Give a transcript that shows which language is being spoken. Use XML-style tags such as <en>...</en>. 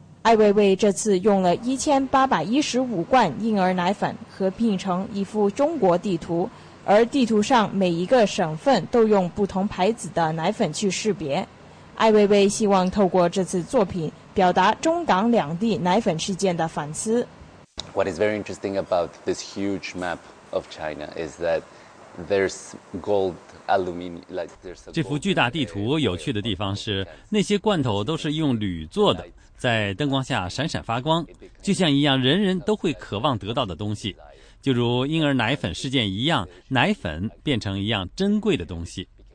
<zh>艾薇薇这次用了1815罐婴儿奶粉合拼成一幅中国地图，而地图上每一个省份都用不同牌子的奶粉去识别。艾薇薇希望透过这次作品表达中港两地奶粉事件的反思。</zh> <en>What is very interesting about this huge map of China is that there's gold aluminum. Like there's.</en> <zh>这幅巨大地图有趣的地方是，那些罐头都是用铝做的，在灯光下闪闪发光，就像一样人人都会渴望得到的东西，就如婴儿奶粉事件一样，奶粉变成一样珍贵的东西。</zh>